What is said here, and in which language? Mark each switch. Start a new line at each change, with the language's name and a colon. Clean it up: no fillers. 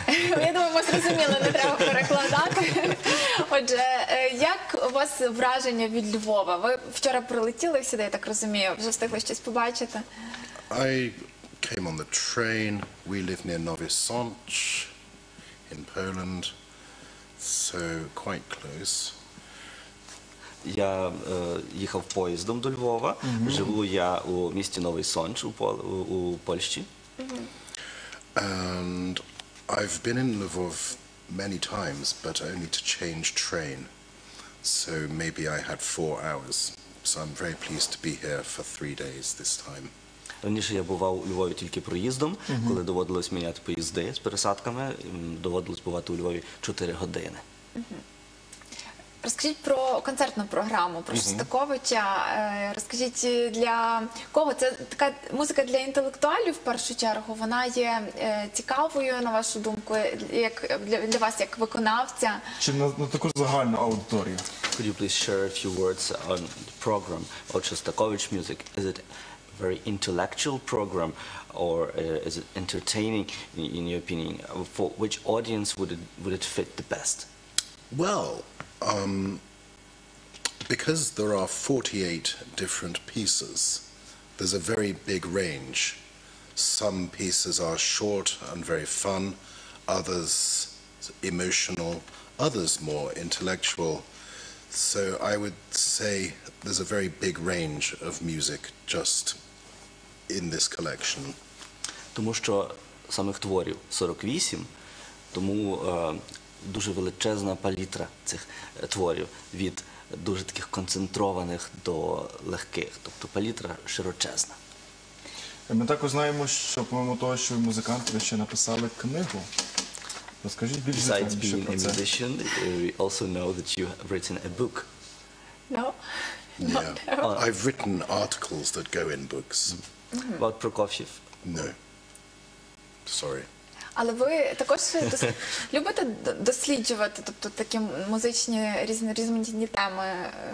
Ukrainian: Я думаю, ми зрозуміли, не треба перекладати. Отже, як у вас враження від Львова? Ви вчора прилетіли сюди, я так розумію, вже встигли щось побачити?
English: I came on the train. We live near Nowy Sącz in Poland, so quite close.
Ukrainian: Я їхав поїздом до Львова. Живу я у місті Новий Сонч у Польщі.
English: And I've been in Lviv many times, but only to change train. So maybe I had 4 hours. So I'm very pleased to be here for 3 days this time.
Ukrainian: Раніше я бував у Львові тільки проїздом, коли доводилось міняти поїзди з пересадками. Доводилось бувати у Львові 4 години. Розкажіть про концертну програму, про Шостаковича. Розкажіть, для кого? Це така музика для інтелектуалів, в першу чергу. Вона є цікавою, на вашу думку, для вас, як виконавця? Чи на таку загальну аудиторію?
English: Could you please share a few words on the program of Shostakovich music? Is it very intellectual program or is it entertaining, in your opinion? For which audience would it fit the best? Well, because there are 48 different pieces, there's a very big range. Some pieces are short and very fun, others emotional, others more intellectual. So I would say there's a very big range of music just in this collection.
Ukrainian: Тому що самих творів 48, тому дуже величезна палітра цих творів, від дуже таких концентрованих до легких. Тобто палітра широчезна. Ми також знаємо, що, по-моєму, того, що музиканти ще написали книгу. Розкажіть більше про це.
English: Besides being a musician, we also know that you have written a book. No. Yeah. I've written articles that go in books. About Prokofiev? No. Sorry.
Ukrainian: Але ви також любите досліджувати, тобто такі музичні різноманітні теми?